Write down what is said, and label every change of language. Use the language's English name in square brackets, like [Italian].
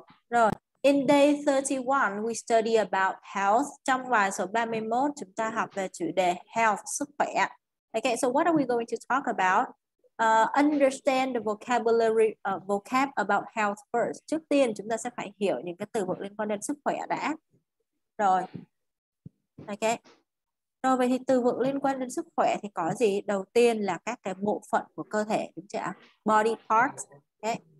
[English] Rồi, in day 31 we study about health. [Vietnamese] Trong bài số 31 chúng ta học về chủ đề health, sức khỏe. [English] Okay, so what are we going to talk about? Understand the vocabulary, vocab about health first. [Vietnamese] Trước tiên chúng ta sẽ phải hiểu những cái từ vựng liên quan đến sức khỏe đã. Rồi. Okay. Rồi vậy thì từ vựng liên quan đến sức khỏe thì có gì? Đầu tiên là các cái bộ phận của cơ thể, đúng chưa? [English] Body parts. [Vietnamese] Okay.